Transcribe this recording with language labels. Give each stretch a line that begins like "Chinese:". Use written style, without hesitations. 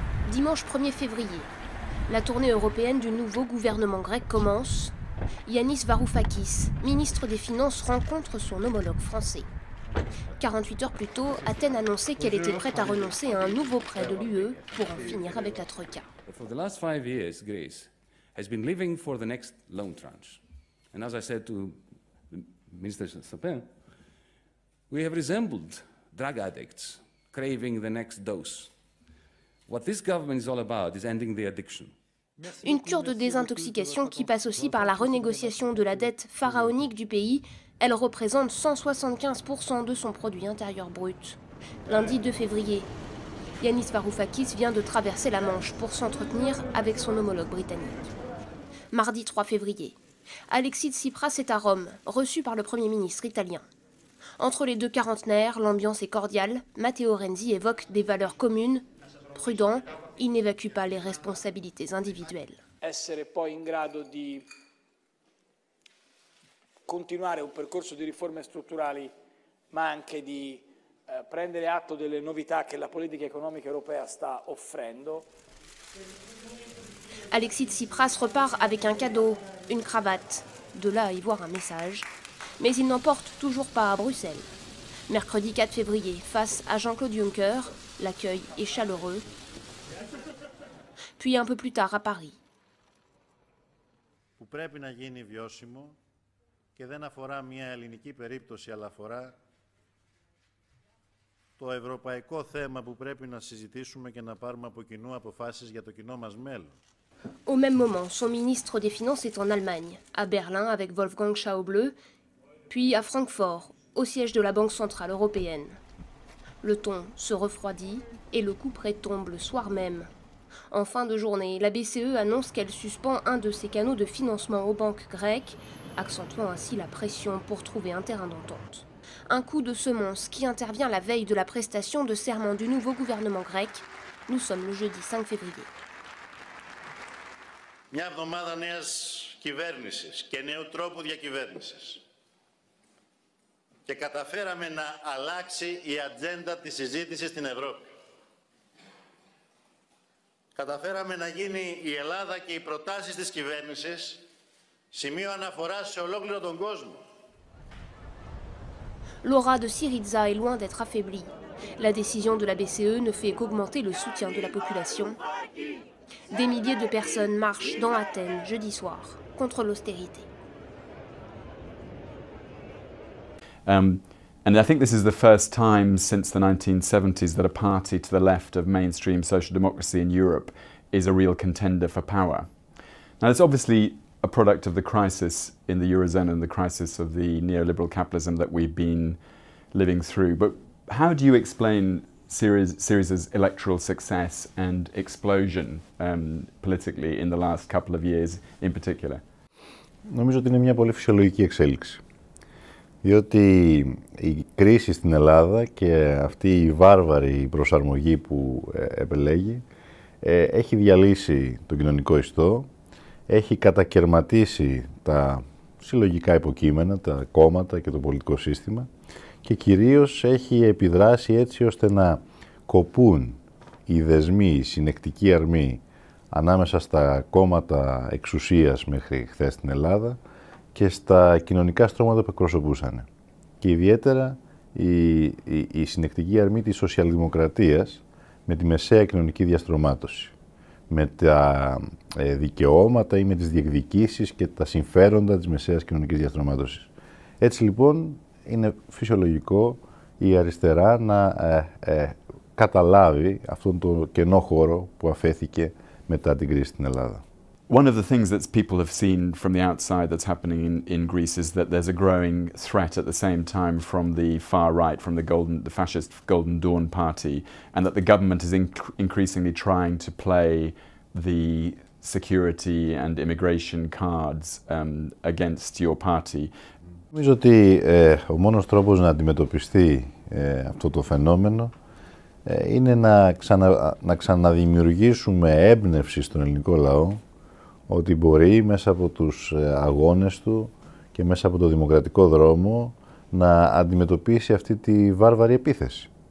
French: Dimanche 1er février, la tournée européenne du nouveau gouvernement grec commence. Yanis Varoufakis, ministre des Finances, rencontre son homologue français. 48 heures plus tôt, Athènes annonçait qu'elle était prête à renoncer à un nouveau prêt de l'UE pour en finir avec la troïka.
English: For the last 5 years, Greece has been living for the next loan tranche. And as I said to Minister Sapin, we have resembled drug addicts craving the next dose. What this government is all about is ending the addiction.
French: Une cure de désintoxication qui passe aussi par la renégociation de la dette pharaonique du pays. Elle représente 175% de son produit intérieur brut. Lundi 2 février, Yanis Varoufakis vient de traverser la Manche pour s'entretenir avec son homologue britannique. Mardi 3 février, Alexis Tsipras est à Rome, reçu par le Premier ministre italien. Entre les deux quarantenaires, l'ambiance est cordiale. Matteo Renzi évoque des valeurs communes. Prudent, il n'évacue pas les responsabilités individuelles.
Italian: Essere poi in grado di continuare un percorso di riforme strutturali, ma anche di prendere atto delle novità che la politica economica europea sta offrendo.
French: Alexis Tsipras repart avec un cadeau, une cravate, de là à y voir un message, mais il n'en porte toujours pas à Bruxelles. Mercredi 4 février, face à Jean-Claude Juncker, l'accueil est chaleureux. Puis un peu plus tard à Paris.
Greek: Που πρέπει να γίνει βιώσιμο και δεν αφορά μια ελληνική περίπτωση, αλλά αφορά το ευρωπαϊκό θέμα που πρέπει να συζητήσουμε και να πάρουμε από κοινού αποφάσεις για το κοινό μας μέλλον.
French: Au même moment, son ministre des Finances est en Allemagne, à Berlin avec Wolfgang Schäuble, puis à Francfort, au siège de la Banque Centrale Européenne. Le ton se refroidit et le coup près tombe le soir même. En fin de journée, la BCE annonce qu'elle suspend un de ses canaux de financement aux banques grecques, accentuant ainsi la pression pour trouver un terrain d'entente. Un coup de semonce qui intervient la veille de la prestation de serment du nouveau gouvernement grec. Nous sommes le jeudi 5 février.
Greek: Μια εβδομάδα νέας κυβέρνησης και νέου τρόπου διακυβέρνησης. Και καταφέραμε να αλλάξει η ατζέντα της συζήτησης στην Ευρώπη. Καταφέραμε να γίνει η Ελλάδα και οι προτάσεις της κυβέρνησης σημείο αναφοράς σε ολόκληρο τον κόσμο.
French: L'aura de Syriza est loin d'être affaiblie. La décision de la BCE ne fait qu'augmenter le soutien de la population. Des milliers de personnes marchent dans Athènes jeudi soir contre l'austérité.
English: And I think this is the first time since the 1970s that a party to the left of mainstream social democracy in Europe is a real contender for power. Now, it's obviously a product of the crisis in the Eurozone and the crisis of the neoliberal capitalism that we've been living through. But how do you explain Syriza's electoral success and explosion politically in the last couple of years in particular?
Greek: Νομίζω ότι είναι μια πολύ φυσιολογική εξέλιξη. Διότι η κρίση στην Ελλάδα και αυτή η βάρβαρη προσαρμογή που επελέγει έχει διαλύσει τον κοινωνικό ιστό, έχει κατακερματίσει τα συλλογικά υποκείμενα, τα κόμματα και το πολιτικό σύστημα και κυρίως έχει επιδράσει έτσι ώστε να κοπούν οι δεσμοί, οι συνεκτικοί αρμοί ανάμεσα στα κόμματα εξουσίας μέχρι χθες στην Ελλάδα και στα κοινωνικά στρώματα που εκπροσωπούσαν. Και ιδιαίτερα η συνεκτική αρμή της σοσιαλδημοκρατίας με τη μεσαία κοινωνική διαστρωμάτωση, με τα δικαιώματα ή με τις διεκδικήσεις και τα συμφέροντα της μεσαίας κοινωνικής διαστρωμάτωσης. Έτσι λοιπόν είναι φυσιολογικό η αριστερά να καταλάβει αυτόν τον κενό χώρο που αφέθηκε μετά την κρίση στην Ελλάδα.
English: One of the things that people have seen from the outside that's happening in Greece is that there's a growing threat at the same time from the far right, from the fascist Golden Dawn party, and that the government is increasingly trying to play the security and immigration cards against your party.
Greek: Νομίζω ότι ο μόνος τρόπος να αντιμετωπιστεί αυτό το φαινόμενο είναι να ξαναδημιουργήσουμε έμπνευση στον ελληνικό λαό ότι μπορεί μέσα από τους αγώνες του και μέσα από το δημοκρατικό δρόμο να αντιμετωπίσει αυτή τη βάρβαρη επίθεση.